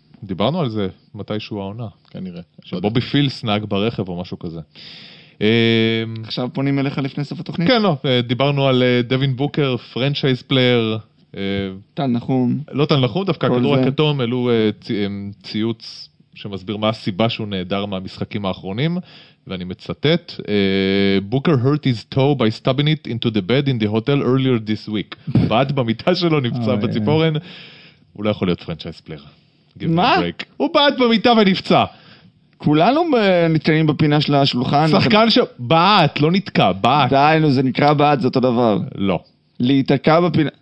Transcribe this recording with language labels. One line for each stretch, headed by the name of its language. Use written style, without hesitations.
Hebrew: דיברנו על זה מתישהו העונה. כנראה. שבובי פילס נהג ברכב או משהו כזה. עכשיו פונים אליך לפני סוף התוכנית? כן, לא. דיברנו על דווין בוקר, פרנצ'ייז פלייר. טל נחום. לא טל נחום, דווקא כדור הכתום, אלו ציוץ שמסביר מה הסיבה שהוא נהדר מהמשחקים האחרונים, ואני מצטט,
English: Booker hurt his toe by stubbing it into the bed in the hotel earlier this week.
Hebrew: בעד במיטה שלו נפצע בציפורן, הוא לא יכול להיות פרנצ'ייס פלייר. מה? הוא בעד במיטה ונפצע. כולנו נתקעים בפינה של השולחן. שחקן ש... בעד, לא נתקע, בעד. די, זה נקרא בעד, זה אותו דבר. לא. להתקע בפינה...